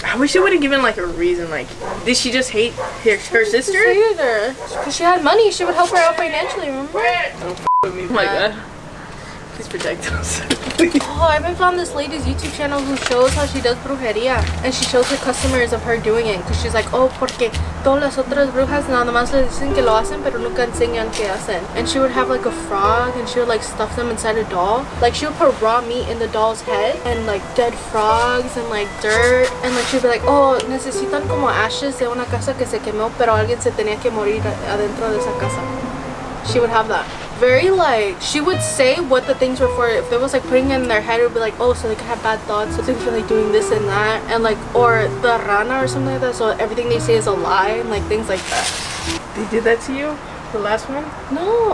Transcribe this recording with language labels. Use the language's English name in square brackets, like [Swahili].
[English] I wish they would have given like a reason. Like, did she just hate her sister? Because she had money, she would help her out financially, remember? Don't f with me. Oh my god. Please protect us. Oh, I even found this lady's YouTube channel who shows how she does brujería. And she shows her customers of her doing it. Because she's like, oh, [Spanish] porque todas las otras brujas nada más les dicen que lo hacen, pero nunca enseñan que hacen. [English] And she would have like a frog and she would like stuff them inside a doll. Like she would put raw meat in the doll's head and like dead frogs and like dirt. And like she'd be like, oh, [Spanish] necesitan como ashes de una casa que se quemó, pero alguien se tenía que morir adentro de esa casa. [English] She would have that. Very like, she would say what the things were for. If it was like putting it in their head, it would be like, oh, so they could have bad thoughts, so they're like doing this and that, and like, or the rana or something like that, so everything they say is a lie, and like things like that. They did that to you? The last one? No.